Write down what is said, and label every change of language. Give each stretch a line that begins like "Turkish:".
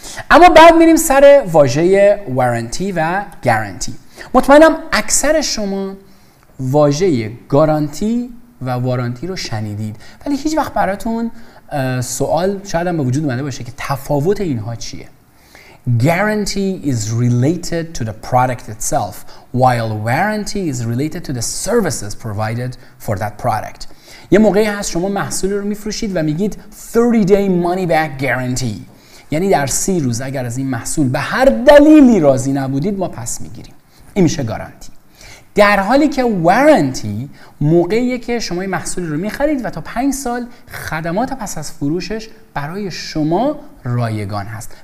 Persian: اما بعد میریم سر واژه وارنتی و گارانتی. مطمئنم اکثر شما واژه گارانتی و وارنتی رو شنیدید، ولی هیچ وقت براتون سوال شاید هم به وجود اومده باشه که تفاوت اینها چیه.
English: Guarantee is related to the product itself while warranty is related to the services provided for that product.
Persian: یه موقعی هست شما محصول رو میفروشید و میگید
English: 30 day money back guarantee،
Persian: یعنی در 30 روز اگر از این محصول به هر دلیلی راضی نبودید ما پس میگیریم. این میشه گارانتی. در حالی که وارنتی موقعیه که شما این محصول رو میخرید و تا 5 سال خدمات پس از فروشش برای شما رایگان هست.